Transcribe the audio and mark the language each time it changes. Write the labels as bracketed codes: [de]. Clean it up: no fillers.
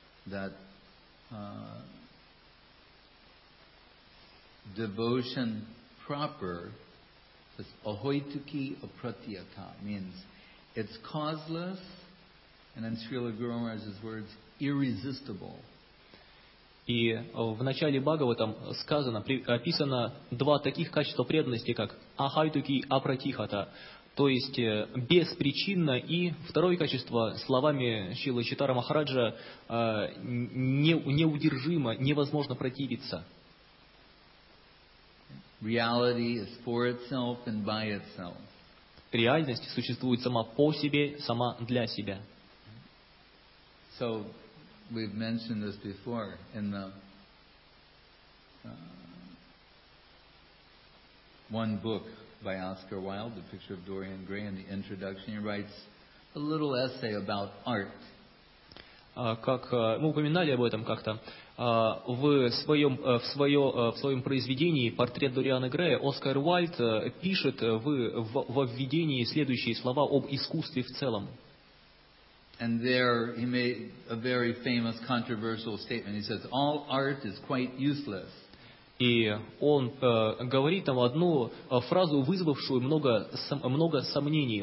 [en] That devotion proper, this Ahoy Tukhiya Pratyata, means it's causeless, and in Srila Guru Maharaj's words, irresistible. [ru] И в начале Бхагаватам сказано, описано два таких качества преданности, как ахайтуки и апратихата, то есть беспричинно, и второе качество, словами Шрилы Чайтаньи Махараджа, неудержимо, невозможно противиться. [en] Reality is for itself and by itself. [ru] Реальность существует сама по себе, сама для себя. [en] So, we've mentioned this before in the one book by Oscar Wilde, The Picture of Dorian Gray, in the introduction, he writes a little essay about art. [ru] Как мы упоминали об этом как-то, в своем произведении «Портрет Дориана Грея» Оскар Уайльд пишет во введении следующие слова об искусстве в целом. [en] And there he made a very famous controversial statement. He says, all art is quite useless. [ru] И он говорит там одну фразу, вызвавшую много сомнений.